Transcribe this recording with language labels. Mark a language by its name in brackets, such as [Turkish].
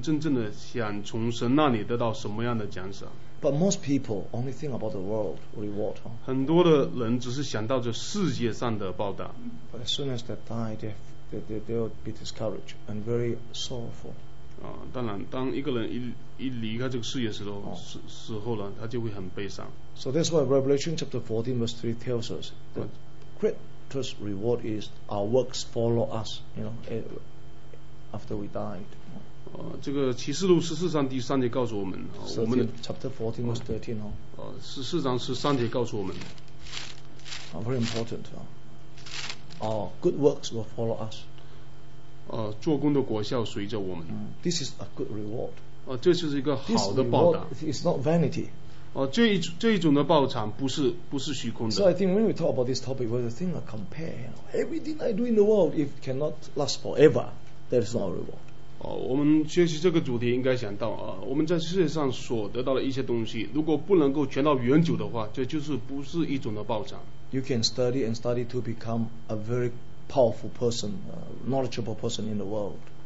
[Chinese] 这个我们学习这个主题的目的就是让我们清楚地去思考我们真正的想从神那里得到什么样的奖赏。 [English] But most people only think about the world reward. [Chinese] 很多的人只是想到这世界上的报答。 [English] But as soon as they die, they will be discouraged and very sorrowful. [Chinese] 当然当一个人一离开这个世界的时候，死后呢，他就会很悲伤。 [English] So that's why Revelation chapter 14 verse 3 tells us that great reward is our works follow us, you know, after we died. [Chinese] 这个启示录十四章第三节告诉我们， 我们的 [English] chapter 14 verse 13 [Chinese] 十四章十三节告诉我们， [English] very important. Our good works will follow us. [Chinese] 做工的果效随着我们。 [English] This is a good reward. [Chinese] 这就是一个好的报答。 [English] It's not vanity. [Chinese] 这一种的报偿不是虚空的。 [English] So I think when we talk about this topic, we have to think of compare. Everything I do in the world, if cannot last forever, that is not a reward. [Chinese] 我们学习这个主题应该想到，我们在世界上所得到的一些东西，如果不能够存到永久的话，这就是不是一种的报偿。 [English] You can study and study to become a very powerful person, knowledgeable person in the world.